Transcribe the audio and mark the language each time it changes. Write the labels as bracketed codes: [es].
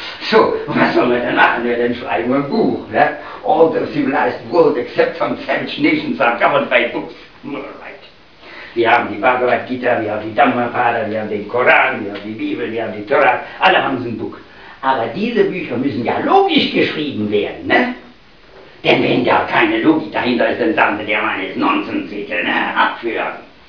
[de] So, was soll man denn machen? Wir dann schreiben ein Buch, ne? [en] All the civilized world except some savage nations are governed by books. [de] Wir haben die Bhagavad Gita, wir haben die Dhammapada, wir haben den Koran, wir haben die Bibel, wir haben die Tora, alle haben so ein Buch. Aber diese Bücher müssen ja logisch geschrieben werden, ne? Denn wenn da keine Logik dahinter ist, dann sagt der Mann, ist Nonsens, bitte, ne? Abführen.